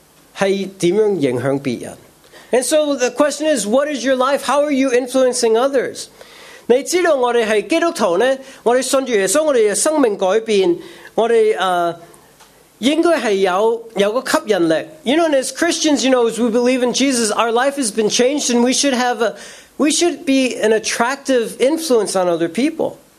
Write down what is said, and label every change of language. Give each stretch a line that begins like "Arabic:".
Chinese: 所以保罗在这个哥林多教会，他用这个例子，其实你的生命是怎样影响别人。
English: And so the question is, what is your life? How are you influencing others?
Chinese: 你知道我们是基督徒呢，我们信主耶稣，我们的生命改变。
English: You know, and as Christians, you know, as we believe in Jesus, our life has been changed, and we should be an attractive influence on other people.